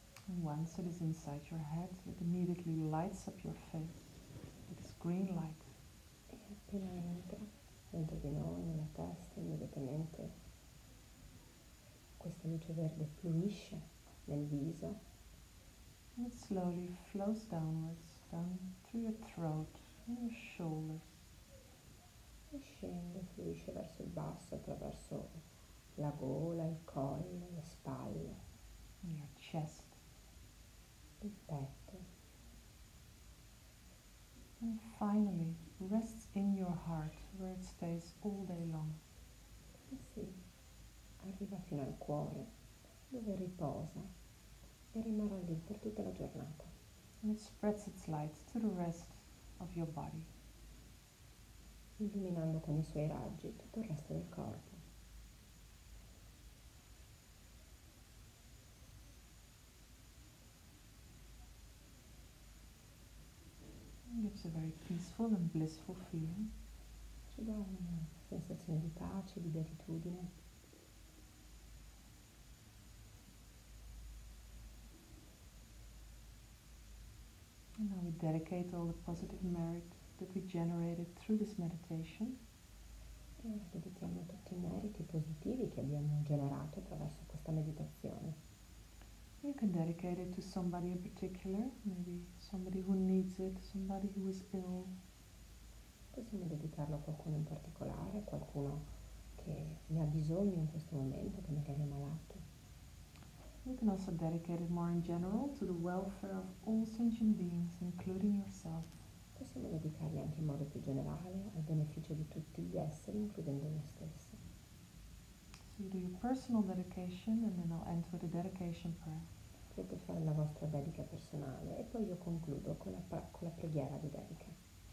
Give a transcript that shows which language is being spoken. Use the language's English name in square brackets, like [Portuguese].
[English] And once it is inside your head, it immediately lights up your face with this green light. [Italian] E appena entra dentro di noi, nella testa, immediatamente questa luce verde fluisce nel viso. [English] And it slowly flows downwards, down through your throat and your shoulders. [Italian] E scende, fluisce verso il basso, attraverso la gola, il collo, le spalle. [English] Your chest. [Italian] Il petto. [English] And finally, rests in your heart, where it stays all day long. [Italian] E sì, arriva fino al cuore, dove riposa e rimarrà lì per tutta la giornata. [English] And it spreads its light to the rest of your body. [Italian] Illuminando con i suoi raggi tutto il resto del corpo. [English] Gives a very peaceful and blissful feeling. [Italian] Ci dà una sensazione di pace, di beatitudine. [English] dedicate all the positive merit that we generated through this meditation. [Italian] Dedichiamo tutti i meriti positivi che abbiamo generato attraverso questa meditazione. [English] You can dedicate it to somebody in particular, maybe somebody who needs it, somebody who is ill. [Italian] Possiamo dedicarlo a qualcuno in particolare, qualcuno che ne ha bisogno in questo momento, che magari è malato. [English] You can also dedicate it more in general to the welfare of all sentient beings, including yourself. [Italian] Possiamo dedicarli anche in modo più generale al beneficio di tutti gli esseri, includendo noi stessi. [English] So you do your personal dedication and then I'll end with a dedication prayer. [Italian] Potete fare la vostra dedica personale e poi io concludo con la preghiera di dedica.